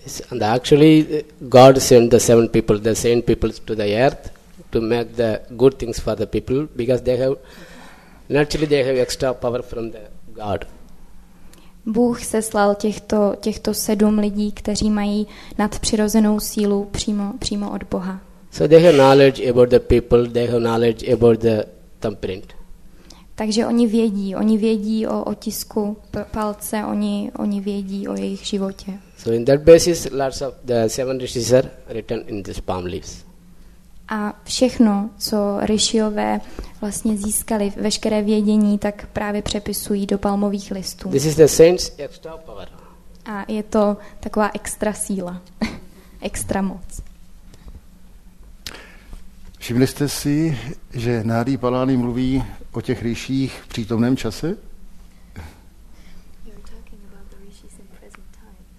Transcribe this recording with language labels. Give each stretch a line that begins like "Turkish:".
English: And actually, God sent the seven people, the saint people, to the earth to make the good things for the people because they have, naturally they have extra power from the God.
Czech: Bůh seslal těchto sedm lidí, kteří mají nadpřirozenou sílu přímo od Boha.
English: So they have knowledge about the people, they have knowledge about the thumbprint.
Czech: Takže oni vědí o otisku palce, oni vědí o jejich životě.
English: So in that basis, lots of the seven rishis are written in these palm leaves.
Czech: A všechno, co rishiové vlastně získali, veškeré vědění, tak právě přepisují do palmových listů.
English: This is the saint's extra power.
Czech: A je to taková extra síla, extra moc. Všimli jste si, že Nádi Palány mluví o těch ryších v přítomném čase?
English: You're talking about the rishis in present time.